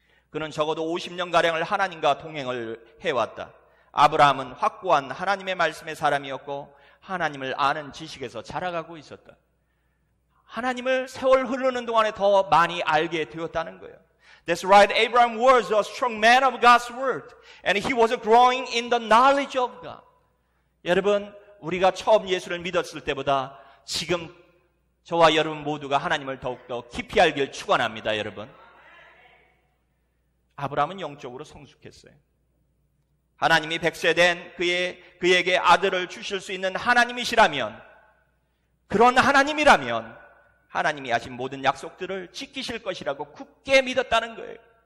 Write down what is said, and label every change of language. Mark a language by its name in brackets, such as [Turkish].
[Korean] 그는 적어도 50년가량을 하나님과 동행을 해왔다. 아브라함은 확고한 하나님의 말씀의 사람이었고 하나님을 아는 지식에서 자라가고 있었다. 하나님을 세월 흐르는 동안에 더 많이 알게 되었다는 거예요. [English] That's right. Abraham was a strong man of God's word. And he was growing in the knowledge of God. [Korean] 여러분, 우리가 처음 예수를 믿었을 때보다 지금 저와 여러분 모두가 하나님을 더욱더 깊이 알길 축원합니다, 여러분. 아브라함은 영적으로 성숙했어요. 하나님이 100세 된 그에게 아들을 주실 수 있는 하나님이시라면, 그런 하나님이라면 하나님이 하신 모든 약속들을 지키실 것이라고 굳게 믿었다는 거예요.